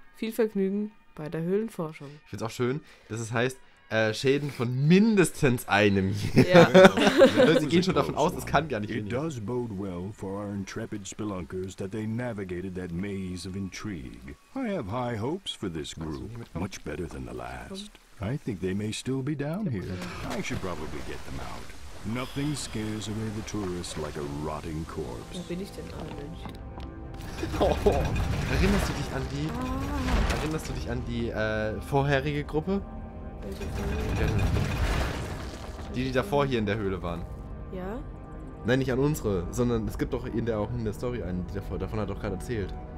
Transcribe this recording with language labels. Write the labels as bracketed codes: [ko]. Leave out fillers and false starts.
[de] Viel Vergnügen bei der Höhlenforschung. Ich finde es auch schön, dass es heißt, Schäden von mindestens einem Jahr. Sie gehen schon davon aus, es kann gar nicht weniger. [en] It does bode well for our intrepid spelunkers that they navigated that maze of intrigue. I have high hopes for this group, much better than the last. I think they may still be down here. I should probably get them out. Nothing scares away the tourists like a rotting corpse. [de] Wo bin ich denn dran, Mensch? Oh. Erinnerst du dich an die vorherige Gruppe? Welche? Die davor hier in der Höhle waren. Ja? Nein, nicht an unsere, sondern es gibt doch in der auch in der Story einen, die davor, davon hat doch gerade erzählt.